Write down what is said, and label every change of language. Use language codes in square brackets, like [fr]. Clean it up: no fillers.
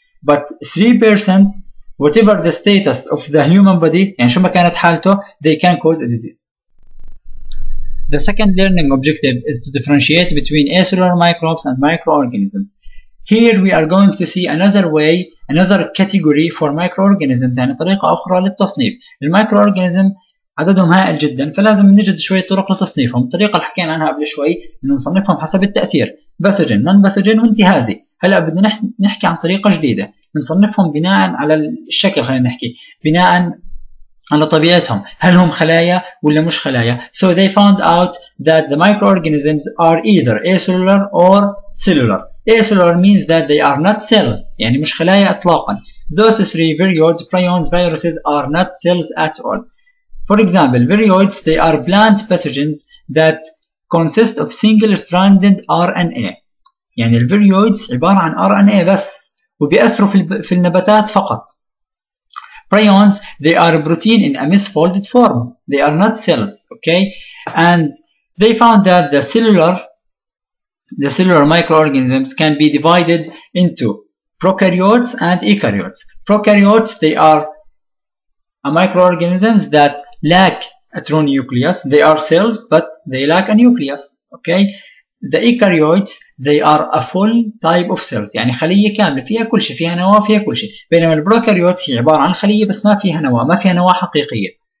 [en] But 3%, whatever the status of the human body, [ar] يعني شو ما كانت حالته, [en] they can cause a disease. The second learning objective is to differentiate between acellular microbes and microorganisms. Here we are going to see another way, another category for microorganisms, [ar] يعني طريقة أخرى للتصنيف. الميكروorganism عددهم هائل جدا فلازم نجد شوية طرق لتصنيفهم. الطريقة اللي حكينا عنها قبل شوي انه نصنفهم حسب التأثير باثوجين نون باثوجين وانتهازي. هلا بدنا نحكي عن طريقة جديدة نصنفهم بناء على الشكل, خلينا نحكي بناء على طبيعتهم, هل هم خلايا ولا مش خلايا. [en] So they found out that the microorganisms are either acellular or cellular. Acellular means that they are not cells, [ar] يعني مش خلايا اطلاقا. [en] Those three virions, prions, viruses are not cells at all. For example, viroids, they are plant pathogens that consist of single-stranded RNA. [ar] يعني الفيريويدز عبارة عن RNA بس وبيأثروا في النباتات فقط. [en] prions, they are protein in a misfolded form. They are not cells, okay? And they found that the cellular microorganisms can be divided into prokaryotes and eukaryotes. Prokaryotes, they are microorganisms that lack a true nucleus. They are cells, but they lack a nucleus, okay? The eukaryotes, they are a full type of cells. [ar] يعني خلية كاملة فيها كل شيء، فيها نواة، فيها كل شيء. بينما البروكاريوتس هي عبارة عن خلية بس ما فيها نواة، ما فيها نواة حقيقية.